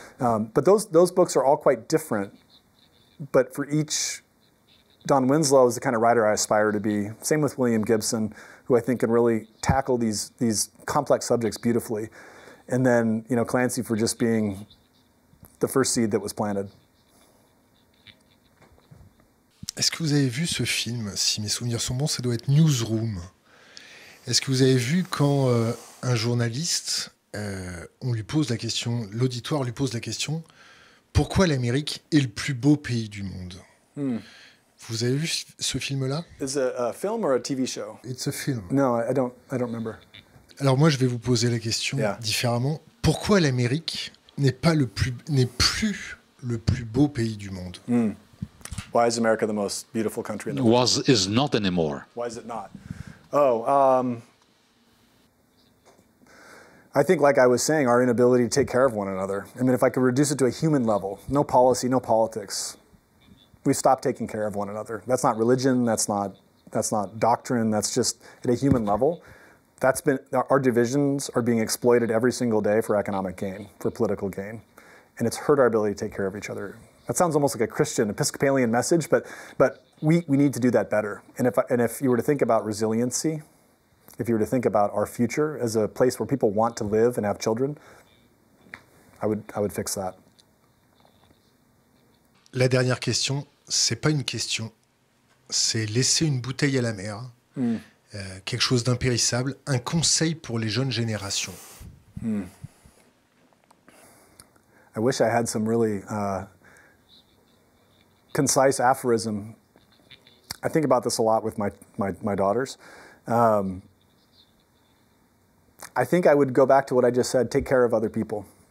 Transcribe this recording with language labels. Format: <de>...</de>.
<en>But those books are all quite different. But for each, Don Winslow is the kind of writer I aspire to be. Same with William Gibson, who I think can really tackle these complex subjects beautifully. And then, you know, Clancy for just being the first seed that was planted.</en> <fr>Est-ce que vous avez vu ce film? Si mes souvenirs sont bons, ça doit être Newsroom. Est-ce que vous avez vu quand un journaliste, on lui pose la question, l'auditoire lui pose la question, pourquoi l'Amérique est le plus beau pays du monde? Vous avez vu ce film-là?</fr> <en>Is it a film or a TV show? It's a film. No, I don't remember.</en> <fr>Alors moi, je vais vous poser la question différemment. Pourquoi l'Amérique n'est plus le plus beau pays du monde.</fr> <en>Why is America the most beautiful country in the world? Was is not anymore. Why is it not? I think, like I was saying, our inability to take care of one another. I mean, if I could reduce it to a human level, no policy, no politics, we stop taking care of one another. That's not religion. That's not doctrine. That's just at a human level. That's been, our divisions are being exploited every single day for economic gain, for political gain. And it's hurt our ability to take care of each other. That sounds almost like a Christian, Episcopalian message, but we need to do that better. And if you were to think about resiliency, if you were to think about our future as a place where people want to live and have children, I would fix that.</en> <fr>La dernière question, c'est pas une question, c'est laisser une bouteille à la mer. Quelque chose d'impérissable, un conseil pour les jeunes générations.</fr> <en>I wish I had some really concise aphorism. I think about this a lot with my daughters. I think I would go back to what I just said, take care of other people.</en>